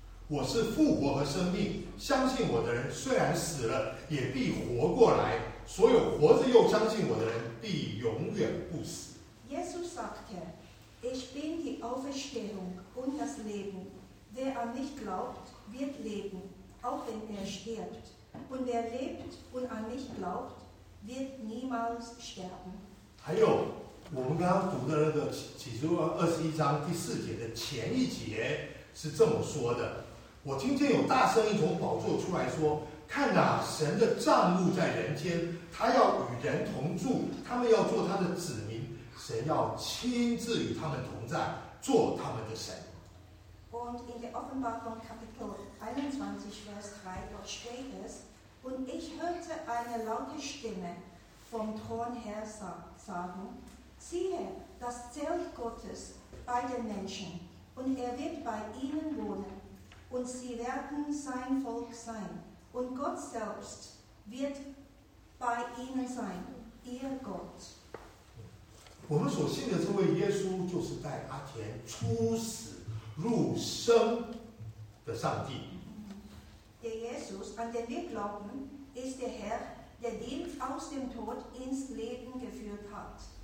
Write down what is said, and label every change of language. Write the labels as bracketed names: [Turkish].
[Chinese] 我是复活和生命，相信我的人虽然死了，也必活过来。所有活着又相信我的人，必永远不死。 [German] Jesus sagte, ich bin die Auferstehung und das Leben. Wer an mich glaubt, wird leben, auch wenn er stirbt. Und wer lebt und an mich glaubt, wird niemals sterben. [Chinese] 还有我们刚刚读的那个启示录二十一章第四节的前一节是这么说的，我听见有大声音从宝座出来说，看哪，神的帐幕在人间，他要与人同住，他们要做他的子民。神要亲自与他们同在，做他们的神。 [German] Und in der Offenbarung Kapitel 21, Vers 3, dort steht es, und ich hörte eine laute Stimme vom Thron her sagen, siehe, das Zelt Gottes bei den Menschen, und er wird bei ihnen wohnen, und sie werden sein Volk sein, und Gott selbst wird bei ihnen sein, ihr Gott. [Chinese] 我们所信的这位耶稣就是在阿田出死入生的上帝。 [German] Der Jesus, an den wir glauben, ist der Herr, der den aus dem Tod ins Leben geführt hat.